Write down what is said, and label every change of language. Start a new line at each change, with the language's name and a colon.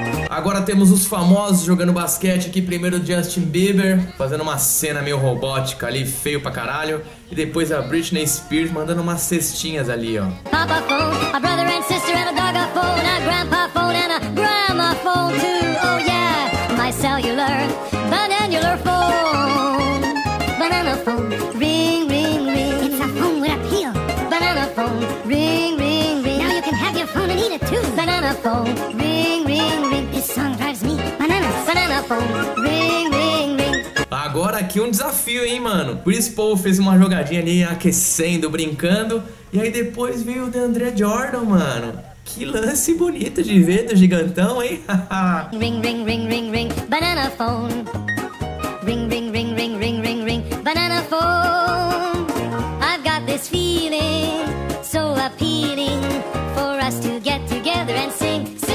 Portuguese: Agora temos os famosos jogando basquete aqui. Primeiro o Justin Bieber fazendo uma cena meio robótica ali, feio pra caralho. E depois a Britney Spears mandando umas cestinhas ali, ó.
English: Papa phone, a brother and sister and a dog a phone, a grandpa phone and a grandma phone too. Oh yeah, my cellular, bananular phone. Banana phone, ring, ring, ring. It's a phone with a peel. Banana phone, ring, ring, ring. Now you can have your phone and eat it too. Banana phone, ring, ring, ring. This song drives me bananas. Banana phone, ring, ring.
Portuguese: Agora aqui um desafio, hein, mano. Chris Paul fez uma jogadinha ali, aquecendo, brincando. E aí depois veio o DeAndre Jordan, mano. Que lance bonito de ver do gigantão, hein.
English: Ring, ring, ring, ring, ring, banana phone. Ring, ring, ring, ring, ring, ring, ring, banana phone. I've got this feeling so appealing for us to get together and sing.